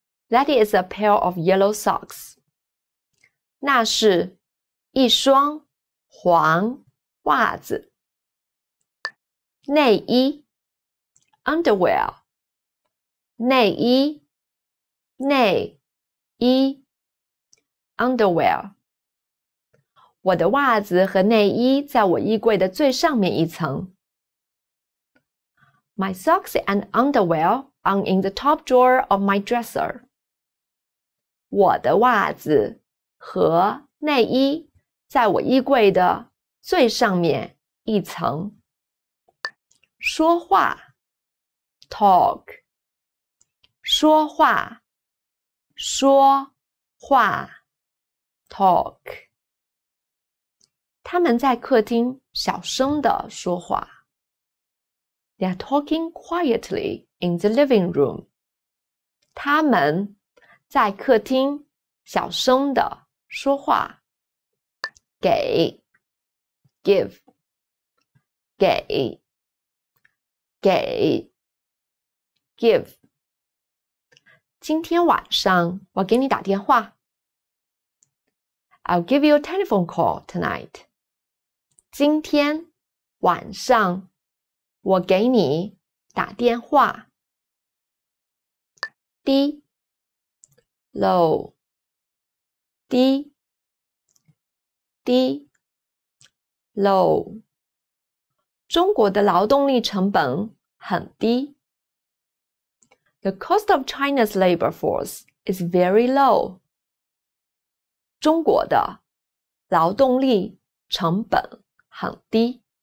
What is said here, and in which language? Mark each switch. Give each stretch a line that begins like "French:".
English: That is a pair of yellow socks
Chinese: 那是一双黄袜子内衣
English: underwear
Chinese: 内衣内衣
English: Underwear.
Chinese: 我的袜子和内衣在我衣柜的最上面一层。
English: My socks and underwear are in the top drawer of my dresser.
Chinese: 我的袜子和内衣在我衣柜的最上面一层。说话 ,
English: talk,
Chinese: 说话说话 ,talk. 他们在客厅小声地说话。
English: They are talking quietly in the living room.
Chinese: 他们在客厅小声地说话。给 ,
English: give,
Chinese: 给给 ,give. 今天晚上我给你打电话。
English: I'll give you a telephone call tonight.
Chinese: 今天晚上我给你打电话。低 ,
English: low,
Chinese: 低低 ,low. 中国的劳动力成本很低。
English: The cost of China's labor force is very low.
Chinese: 中国的劳动力成本很低。